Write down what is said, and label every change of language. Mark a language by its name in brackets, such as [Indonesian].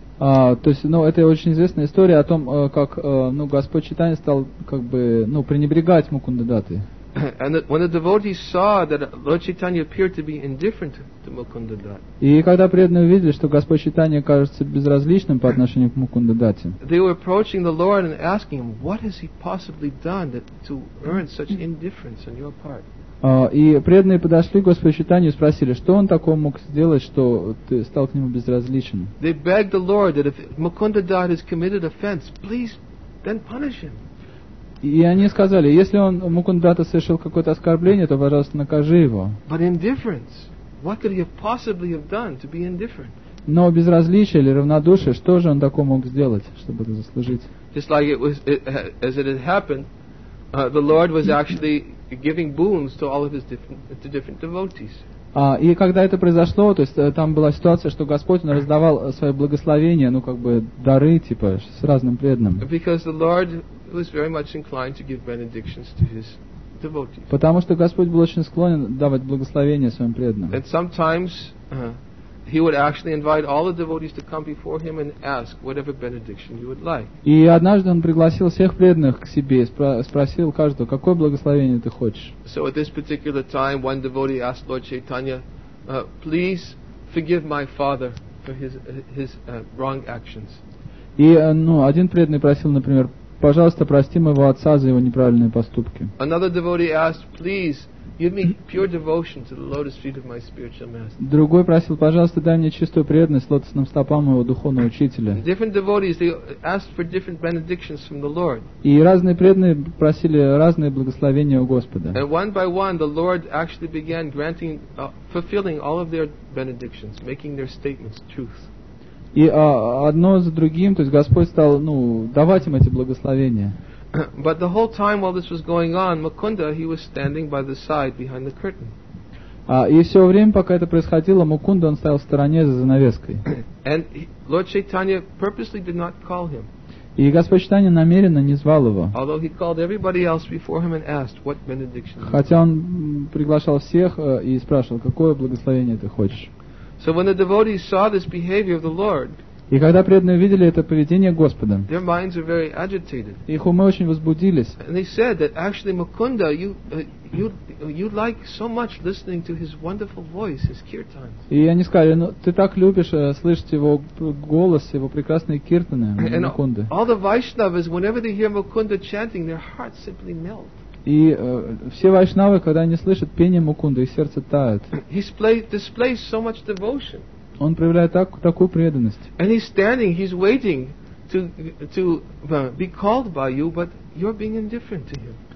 [Russian] То есть, это очень известная история о том, как Господь Чайтанья стал как бы пренебрегать Мукунда даты. [English] And when the devotees saw that Lord Chaitanya appeared to be indifferent to Mukunda Dutt, [Russian] и когда преданные увидели, что Господь Чайтанья кажется безразличным по отношению к Мукунда Датте, [English] they were approaching the Lord and asking him, "What has he possibly done that to earn such indifference on your part?" [Russian] И преданные подошли к Господу Чайтанье и спросили, что он такого мог сделать, что ты стал к нему безразличен. [English] They begged the Lord that if Mukunda Dutt has committed offense, please then punish him. [Russian] И они сказали, если он Мукунда Датта совершил какое-то оскорбление, то, пожалуйста, накажи его. [English] But indifference. What could he possibly have done to be indifferent? [Russian] Но безразличие или равнодушие, что же он такого мог сделать, чтобы это заслужить? [English] Just like as it had happened, the Lord was actually giving boons to all of his different devotees. [Russian] И когда это произошло, то есть там была ситуация, что Господь он раздавал свои благословения, дары типа с разным преданным. [English] Because the Lord was very much inclined to give benedictions to his devotees. [Russian] Потому что Господь был очень склонен давать благословения своим преданным. [English] And sometimes he would actually invite all the devotees to come before him and ask whatever benediction you would like. [Russian] И однажды он пригласил всех преданных к себе и спросил каждого, какое благословение ты хочешь. [English] So at this particular time, one devotee asked Lord Chaitanya, "Please forgive my father for his wrong actions." [Russian] И один преданный просил, например, пожалуйста, прости моего отца за его неправильные поступки. [English] Another devotee asked, "Please give me pure devotion to the lotus feet of my spiritual master." [Russian] Другой просил, пожалуйста, дай мне чистую преданность лотосным стопам моего духовного учителя. [English] Different devotees they asked for different benedictions from the Lord. [Russian] И разные преданные просили разные благословения у Господа. [English] And one by one, the Lord actually began granting, fulfilling all of their benedictions, making their statements truth. [Russian] И одно за другим, то есть Господь стал давать им эти благословения. [English] But the whole time while this was going on, Mukunda, he was standing by the side behind the curtain. [Russian] И все время, пока это происходило, Мукунда он стоял в стороне за занавеской. [English] And Lord Chaitanya purposely did not call him. [Russian] И Господь Чайтанья намеренно не звал его. [English] Although he called everybody else before him and asked, what benediction. [Russian] Хотя он приглашал всех и спрашивал, какое благословение ты хочешь. [English] So when the devotees saw this behavior of the Lord. [Russian] И когда преданные увидели это поведение Господа, [English] their minds are very agitated. [Russian] Их умы очень возбудились. [English] And they said that actually Mukunda, you like so much listening to his wonderful voice, his kirtan. [Russian] И они сказали, ну ты так любишь слышать его голос, его прекрасные киртаны, Мукунда. [English] All the Vaishnavas, whenever they hear Mukunda chanting, their hearts simply melt. [Russian] И все вайшнавы, когда они слышат пение Мукунды, их сердце тает. [English] He displays so much devotion. [Russian] Он проявляет такую преданность. [English] And he's standing, he's waiting to be called by you, but you're being indifferent to him.